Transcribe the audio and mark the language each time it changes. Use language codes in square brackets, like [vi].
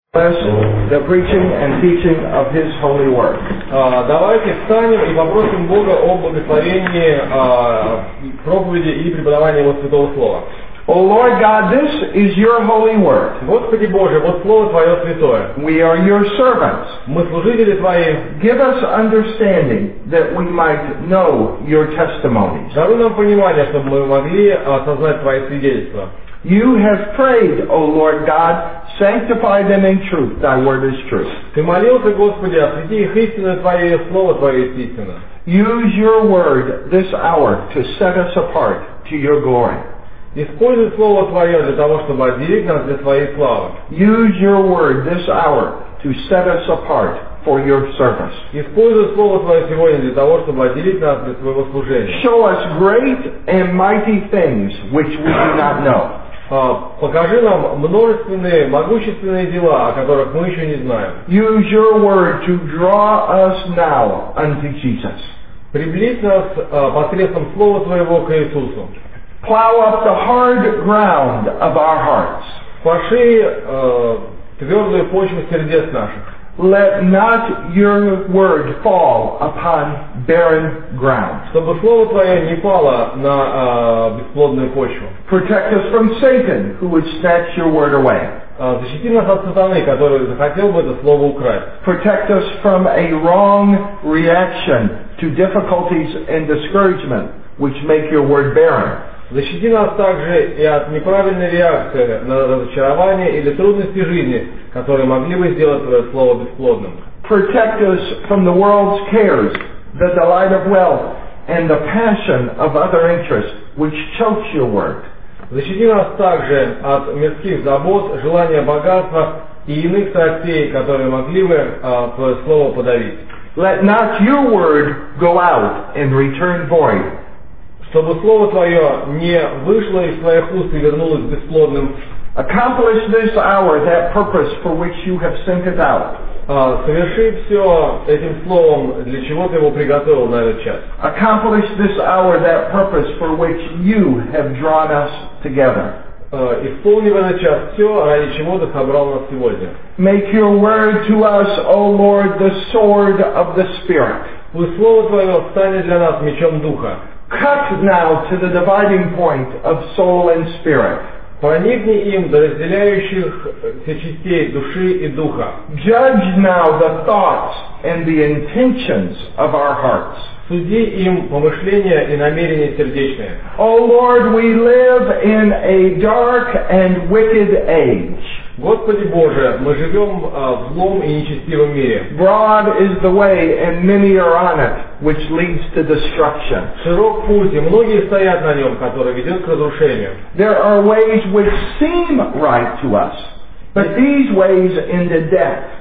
[en] Bless the preaching and teaching of His holy word. [ru] Давайте встанем и попросим Бога о благословении проповеди и преподавании Его Святого Слова. [en] O Lord God, this is your holy word. [ru] Господи Боже, вот слово Твое святое. [en] We are your servants. [ru] Мы служители Твои. [en] Give us understanding that we might know your testimonies. [ru] Даруй нам понимание, чтобы мы могли осознать Твои свидетельства. [en] You have prayed, O Lord God, sanctify them in truth. Thy word is truth. [ru] Ты молился, Господи, освяти их истиной, Твое слово Твое истина. [en] Use your word this hour to set us apart to your glory. [ru] Используй слово Твое для того, чтобы отделить нас для Твоей славы. [en] Use your word this hour to set us apart for your service. [ru] Используй слово Твое сегодня для того, чтобы отделить нас для Твоего служения. [en] Show us great and mighty things which we do not know. [ru] Покажи нам множественные, могущественные дела, о которых мы еще не знаем. [en] Use your word to draw us now unto Jesus. [ru] Приблизь нас посредством слова Твоего к Иисусу. [en] Plow up the hard ground of our hearts. [ru] Поши твердую почву сердец наших. [en] Let not your word fall upon barren ground. [ru] Чтобы слово Твое не пало на бесплодную почву. [en] Protect us from Satan, who would snatch your word away. [ru] Защити нас от сатаны, который захотел бы это слово украсть. [en] Protect us from a wrong reaction to difficulties and discouragement, which make your word barren. [ru] Защити нас также и от неправильной реакции на разочарование или трудности жизни, которые могли бы сделать Твое Слово бесплодным. [en] Protect us from the world's cares, the delight of wealth, and the passion of other interests, which chokes your word. [ru] Защити нас также от мирских забот, желания богатства и иных страстей, которые могли бы Твое Слово подавить. [en] Let not your word go out and return void. [ru] Чтобы слово Твое не вышло из Твоих уст и вернулось бесплодным. [en] Accomplish this hour that purpose for which you have sent it out. [ru] Соверши все этим словом, для чего Ты его приготовил на этот час. [en] Accomplish this hour that purpose for which you have drawn us together. [ru] Исполни в этот час все, ради чего Ты собрал нас сегодня. [en] Make your word to us, O Lord, the sword of the Spirit. [ru] Пусть слово Твое станет для нас мечом Духа. [en] Cut now to the dividing point of soul and spirit. [ru] Проникни им до разделяющихся частей души и духа. [en] Judge now the thoughts and the intentions of our hearts. [ru] Суди им помышления и намерения сердечные. [en] O Lord, we live in a dark and wicked age. [ru] Господи Боже, мы живем в злом и нечестивом мире. [en] Broad is the way and many are on it, which leads to destruction. [ru] Широк путь, и многие стоят на нем, который ведет к разрушению. [en] There are ways which seem right to us, but these ways end in death.